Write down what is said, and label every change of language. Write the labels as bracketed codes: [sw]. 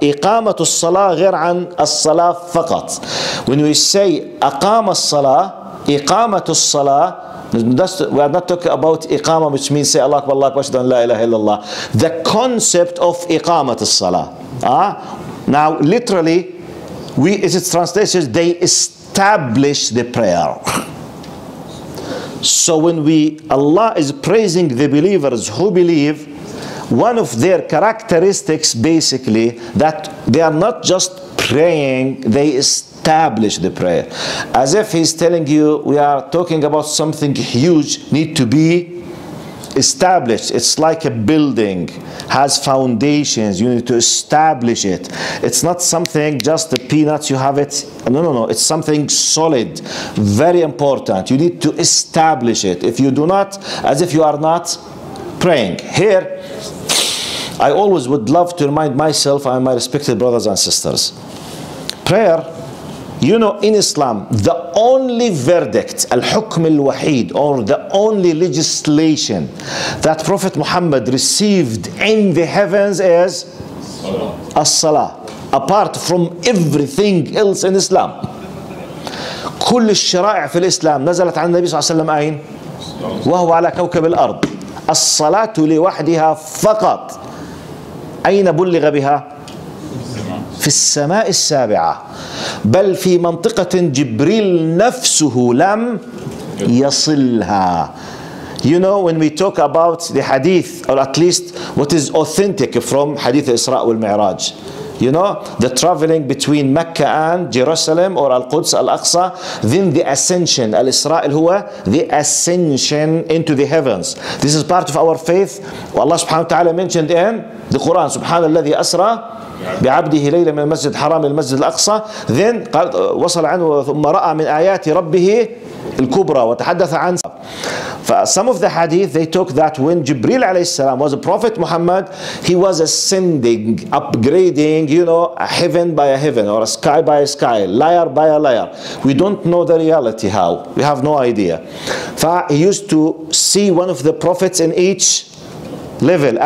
[ar] إقامة الصلاة غير عن الصلاة فقط. [en] When we say [ar] أقام الصلاة، إقامة الصلاة، [en] we are not talking about [ar] إقامة [en] which means say [ar] الله أكبر الله أكبر لا إله إلا الله. [en] The concept of [ar] إقامة الصلاة. [en] Now literally we is it translated they establish the prayer. So when we Allah is praising the believers who believe, one of their characteristics basically that they are not just praying, they establish establish the prayer. As if he's telling you, we are talking about something huge, need to be established. It's like a building has foundations, you need to establish it. It's not something just the peanuts, you have it. No, it's something solid, very important. You need to establish it. If you do not, as if you are not praying. Here, I always would love to remind myself and my respected brothers and sisters, prayer, you know, in Islam, the only verdict, al-hukm al-wahid, or the only legislation that Prophet Muhammad received in the heavens is as-salah. Apart from everything else in Islam, [ar] كل الشرائع في الإسلام نزلت عن النبي صلى الله عليه وسلم أين؟ وهو على كوكب الأرض. الصلاة لوحدها فقط أين بلغ بها؟ في السماء السابعة. بل في منطقة جبريل نفسه لم يصلها. [en] You know, when we talk about the hadith, or at least what is authentic from hadith Isra wal-Mi'raj, you know, the traveling between Mecca and Jerusalem or Al-Quds, Al-Aqsa, then the ascension, Al-Isra'il huwa, the ascension into the heavens. This is part of our faith. Allah subhanahu wa ta'ala mentioned in the Quran, subhanahu alladhi asra [ar] بعبده ليلة من المسجد الحرام إلى المسجد الأقصى. Then قال وصل عنه ثم رأى من آيات ربه الكبرى وتحدث عن. [en] Some of the hadith they talk that when Jibril عليه السلام was a prophet Muhammad, he was ascending, upgrading, you know, a heaven by a heaven or a sky by a sky, layer by a layer. We don't know the reality how. We have no idea. He used to see one of the prophets in each level.